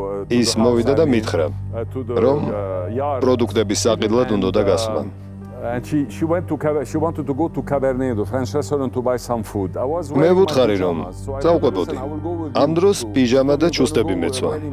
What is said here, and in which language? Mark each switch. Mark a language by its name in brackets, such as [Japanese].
[English] is [Georgian] მოვიდა და მითხრა, რომ პროდუქტების საყიდლად უნდა დაგასვლა. [English] And she wanted to go to Cabernet, the French restaurant, to buy some food. I was waiting. [Georgian] მე ვუთხარი რომ წავყვებოდი. ამ დროს პიჟამა და ჩუსტები მეცვა.